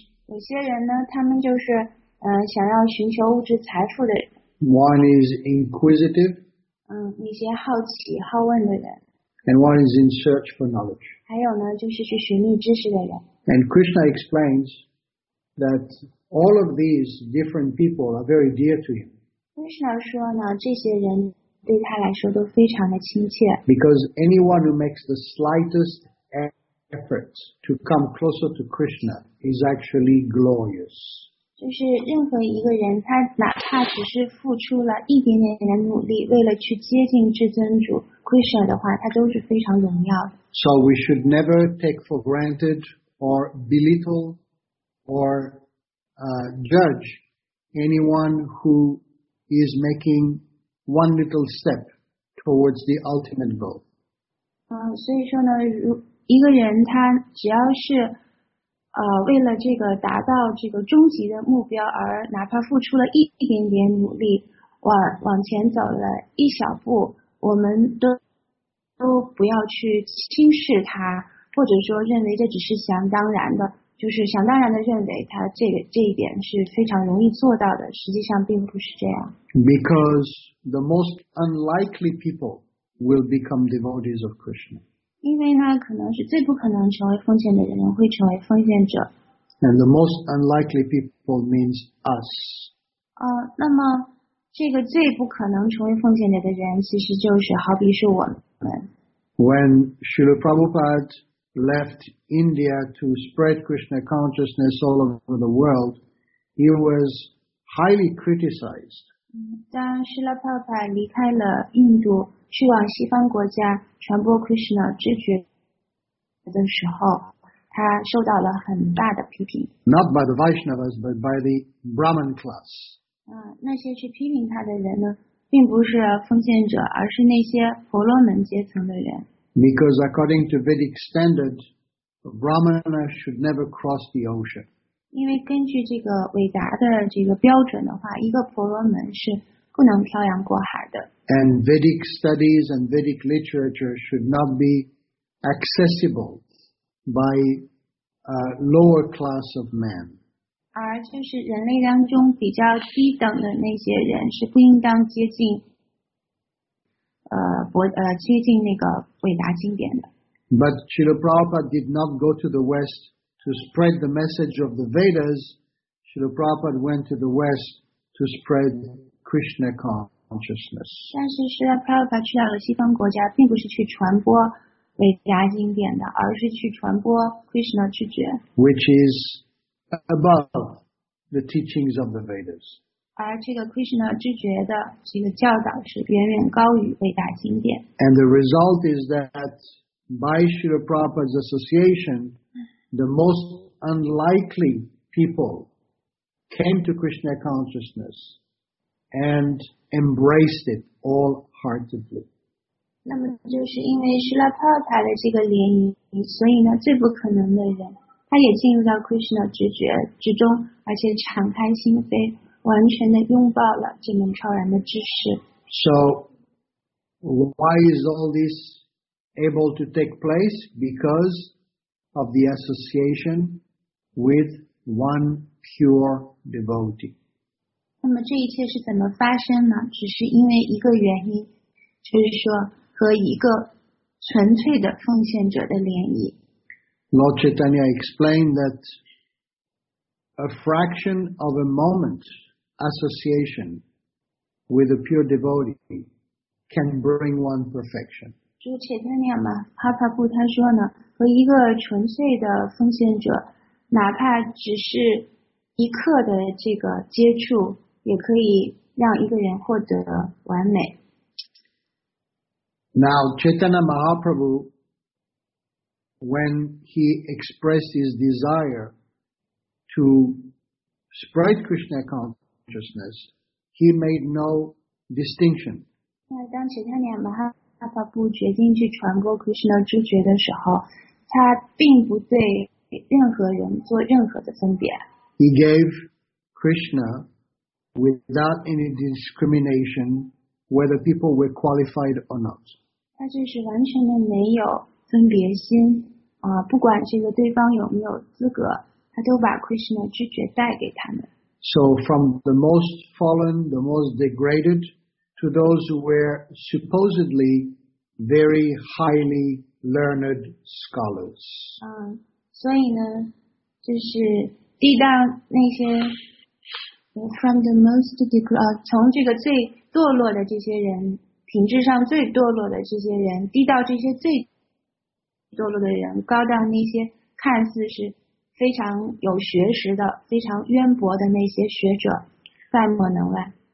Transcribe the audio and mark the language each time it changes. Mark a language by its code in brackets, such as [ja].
[zh] 有些人呢，他们就是想要寻求物质财富的人。 [en] One is inquisitive. [zh] 那些好奇好问的人。 [en] And one is in search for knowledge. [zh] 还有呢，就是去寻觅知识的人。 [en] And Krishna explains that all of these different people are very dear to him. [zh] Krishna 说呢，这些人对他来说都非常的亲切。 [en] Because anyone who makes the slightest effort to come closer to Krishna is actually glorious. [zh] 就是任何一个人，他哪怕只是付出了一点点的努力，为了去接近至尊主 Krishna 的话，他都是非常荣耀的。 [en] So we should never take for granted or belittle or judge anyone who is making one little step towards the ultimate goal. [zh] 所以说呢，如一个人他只要是为了这个达到这个终极的目标而哪怕付出了一点点努力，往前走了一小步，我们都不要去轻视他，或者说认为这只是想当然的，就是想当然的认为他这一点是非常容易做到的，实际上并不是这样。 [en] Because the most unlikely people will become devotees of Krishna. [zh] 因为呢，可能是最不可能成为奉献的人会成为奉献者。 [en] And the most unlikely people means us. [zh] 那么这个最不可能成为奉献者的人，其实就是好比是我们。 [en] When Srila Prabhupada left India to spread Krishna consciousness all over the world, he was highly criticized. [zh] 当 Srila Prabhupada 离开了印度。去往西方国家传播 Krishna 知觉的时候，他受到了很大的批评。 [en] Not by the Vaishnavas, but by the Brahmin class. [zh] 那些去批评他的人呢，并不是奉献者，而是那些婆罗门阶层的人。 [en] Because according to Vedic standard, Brahmana should never cross the ocean. [zh] 因为根据这个伟达的这个标准的话，一个婆罗门是不能漂洋过海的。 [en] And Vedic studies and Vedic literature should not be accessible by a lower class of man. [zh] 而就是人类当中比较低等的那些人是不应当接近那个伟达经典的。 [en] But Srila Prabhupada did not go to the West to spread the message of the Vedas. Srila Prabhupada went to the West to spread Krishna consciousness. [zh] 但是释迦牟尼去到了西方国家，并不是去传播伟达经典的，而是去传播 Krishna 知觉 [en] ，which is above the teachings of the Vedas。 [zh] 而这个 Krishna 知觉的这个教导是远远高于伟达经典。 [en] And the result is that by Srila Prabhupada's association, the most unlikely people came to Krishna consciousness and embraced it all heartedly. [zh] 那么就是因为Srila Prabhupada的这个联谊，所以呢，最不可能的人，他也进入到 Krishna 知觉之中，而且敞开心扉，完全的拥抱了这门超然的知识。 [en] So, why is all this able to take place? Because of the association with one pure devotee. [zh] 那么这一切是怎么发生呢？只是因为一个原因，就是说和一个纯粹的奉献者的联谊。 [en] Lord Chaitanya explained that a fraction of a moment association with a pure devotee can bring one perfection. [zh] 主 Chaitanya 嘛，哈帕布他说呢，和一个纯粹的奉献者，哪怕只是一刻的这个接触。也可以让一个人获得完美。 [en] Now, Chaitanya Mahaprabhu, when he expressed his desire to spread Krishna consciousness, he made no distinction. [zh] 那当 Chaitanya Mahaprabhu 决定去传播 Krishna 知觉的时候，他并不对任何人做任何的分别。 [en] He gave Krishna. Without any discrimination, whether people were qualified or not. [zh] 他就是完全的没有分别心，不管这个对方有没有资格，他都把 Krishna 直觉带给他们。 [en] So from the most fallen, the most degraded, to those who were supposedly very highly learned scholars. [zh] 所以呢，就是地道那些 [en] from the most degraded, [zh] 从这个最堕落的这些人，品质上最堕落的这些人，地道这些最堕落的人，高到那些看似是非常有学识的，非常渊博的那些学者，概莫能外。